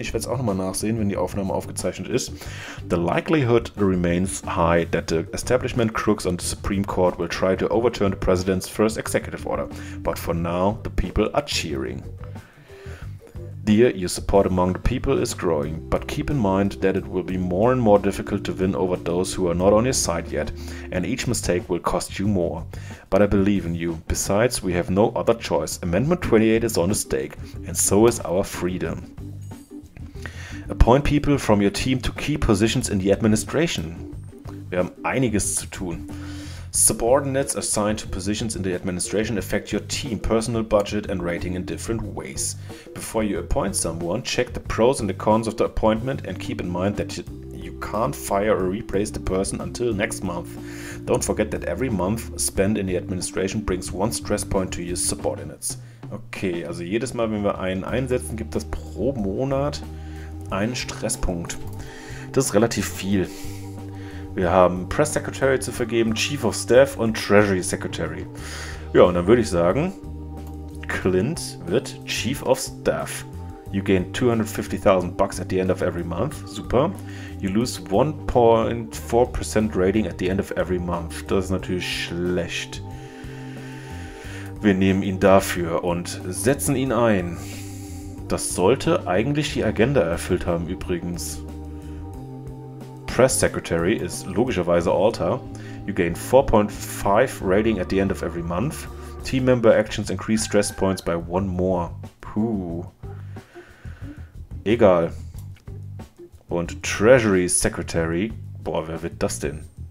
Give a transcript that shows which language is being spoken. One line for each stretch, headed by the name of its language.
German: Ich werde es auch nochmal nachsehen, wenn die Aufnahme aufgezeichnet ist.
English: The likelihood remains high that the establishment crooks on the Supreme Court will try to overturn the president's first executive order. But for now, the people are cheering. Dear, your support among the people is growing, but keep in mind that it will be more and more difficult to win over those who are not on your side yet, and each mistake will cost you more. But I believe in you. Besides, we have no other choice. Amendment 28 is on the stake, and so is our freedom. Appoint people from your team to key positions in the administration.
German: Wir haben einiges zu tun.
English: Subordinates assigned to positions in the administration affect your team, personal budget and rating in different ways. Before you appoint someone, check the pros and the cons of the appointment and keep in mind that you can't fire or replace the person until next month. Don't forget that every month spent in the administration brings one stress point to your subordinates.
German: Okay, also jedes Mal, wenn wir einen einsetzen, gibt das pro Monat einen Stresspunkt. Das ist relativ viel. Wir haben Press Secretary zu vergeben, Chief of Staff und Treasury Secretary. Ja, und dann würde ich sagen, Clint wird Chief of Staff.
English: You gain 250.000 bucks at the end of every month. Super. You lose 1.4% rating at the end of every month.
German: Das ist natürlich schlecht. Wir nehmen ihn dafür und setzen ihn ein. Das sollte eigentlich die Agenda erfüllt haben übrigens. Press Secretary ist logischerweise Alter.
English: You gain 4.5 rating at the end of every month. Team member actions increase stress points by one more.
German: Puh. Egal. Und Treasury Secretary. Boah, wer wird das denn?